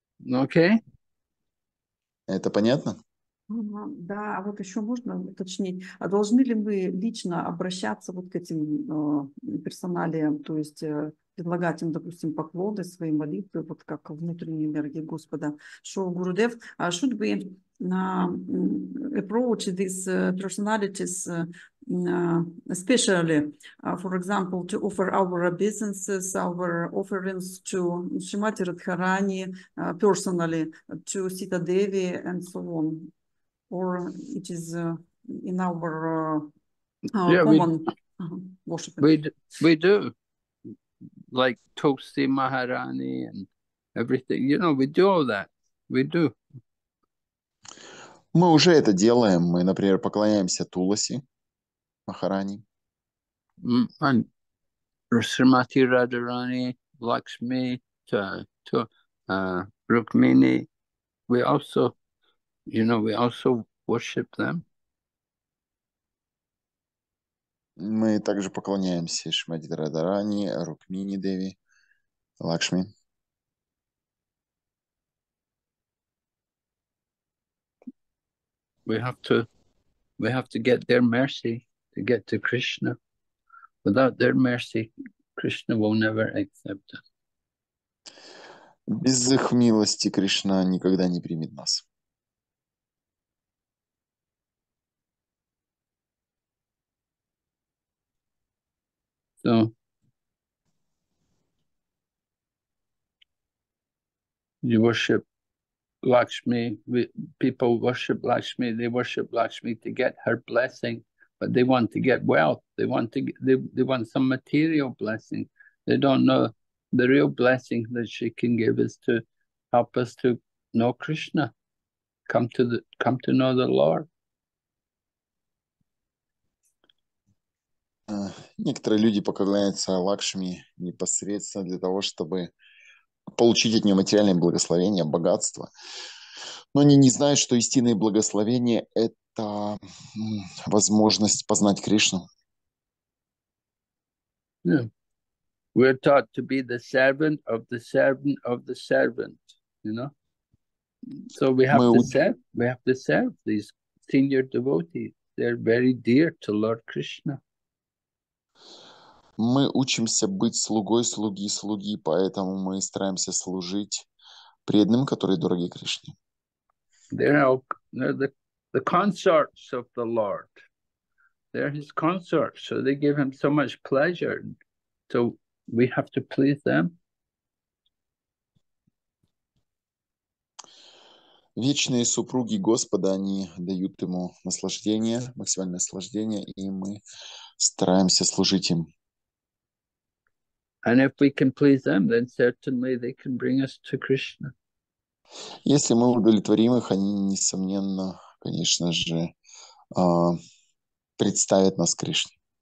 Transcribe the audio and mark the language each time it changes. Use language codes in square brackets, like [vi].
[ru] Окей. Это понятно? Да, а вот еще можно уточнить, а должны ли мы лично обращаться вот к этим персоналиям, то есть предлагать им, допустим, поклоны, свои молитвы, вот как внутренние энергии Господа. [en] Шо Гурудев, should we approach these personalities especially, for example, to offer our obeisances, our offerings to Shrimati Radharani personally, to Sita Devi and so on? Or it is in our common worship. We do, like Tulsi Maharani and everything. You know, we do all that. We do. [ru] Мы уже это делаем. Мы, например, поклоняемся Туласи Махарани. [en] And Srimati Radharani, Lakshmi, Rukmini. We also, you know, we also worship them. [ru] Мы также поклоняемся Шмати Радарани, Рукмини Деви, Лакшми. [en] We have to get their mercy to get to Krishna. Without their mercy, Krishna will never accept us. [ru] Без их милости Кришна никогда не примет нас. [en] So, you worship Lakshmi, people worship Lakshmi, they worship Lakshmi to get her blessing, but they want to get wealth, they want some material blessing. They don't know the real blessing that she can give is to help us to know Krishna, come to know the Lord. [ru] Некоторые люди поклоняются Лакшми непосредственно для того, чтобы получить от нее материальное благословение, богатство. Но они не знают, что истинное благословение – это возможность познать Кришну. [en] Yeah. We're taught to be the servant of the servant of the servant, you know? So we have to serve these senior devotees. They're very dear to Lord Krishna. [ru] Мы учимся быть слугой слуги слуги, поэтому мы стараемся служить преданным, которые дороги Кришне. [en] They're the consorts of the Lord. They're his consorts, so they give him so much pleasure. So we have to please them. [ru] Вечные супруги Господа, они дают ему наслаждение, максимальное наслаждение, и мы стараемся служить им. [en] And if we can please them, then certainly they can bring us to Krishna. [ru] Если мы удовлетворим их, они, несомненно, конечно же, представят нас Кришне.